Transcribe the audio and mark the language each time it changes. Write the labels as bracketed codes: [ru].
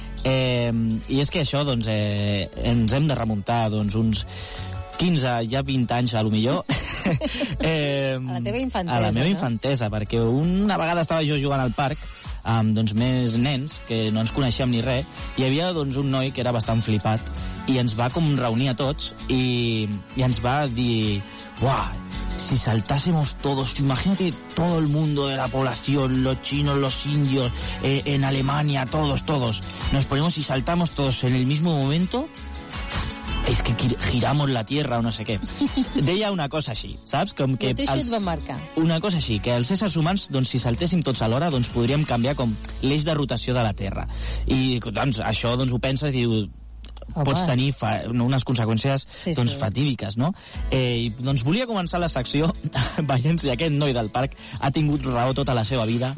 [ca] I és que això, doncs, ens hem de remuntar doncs, uns 15, ja 20 anys, a lo millor. A la teva infantesa. A la meva infantesa, no? Perquè una vegada estava jo jugant al parc amb doncs, més nens, que no ens coneixíem ni res, hi havia doncs, un noi que era bastant flipat i ens va com reunir a tots i ens va dir... [es] Uah, si saltásemos todos, imagínate todo el mundo de la población, los chinos, los indios, en Alemania, todos, nos ponemos y saltamos todos en el mismo momento, es que giramos la Tierra o no sé qué. [ca] Deia una cosa així, saps? Com que els, va marcar. Una cosa així, que els éssers humans, doncs, si saltéssim tots alhora, doncs podríem canviar com l'eix de rotació de la Terra. I doncs, això doncs, ho penses i dius... pots tenir unes conseqüències sí, doncs, sí. Fatídiques, no? Doncs volia començar la secció veient si aquest noi del parc ha tingut raó tota la seva vida.